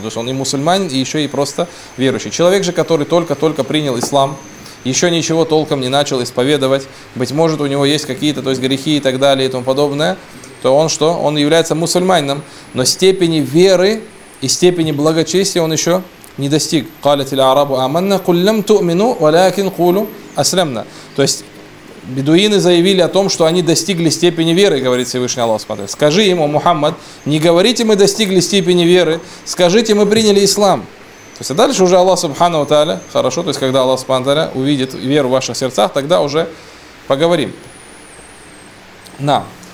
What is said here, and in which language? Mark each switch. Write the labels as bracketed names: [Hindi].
[Russian] То есть он и мусульманин, и еще и просто верующий. Человек же, который только-только принял ислам, еще ничего толком не начал исповедовать, быть может, у него есть какие-то, то есть грехи и так далее и тому подобное, то он что? Он является мусульманином, но степени веры и степени благочестия он еще не достиг. [Arabic] قالت العرب آمنا قل لم تؤمنوا ولكن قولوا أسلمنا. [Russian] То есть бедуины заявили о том, что они достигли степени веры, говорит Всевышний Аллах. Смотри, скажи им, о Мухаммад, не говорите, мы достигли степени веры, скажите, мы приняли ислам. То есть, а дальше уже Аллах Субхана ва Тааля, хорошо, то есть, когда Аллах Субхана ва Тааля увидит веру в ваших сердцах, тогда уже поговорим. На.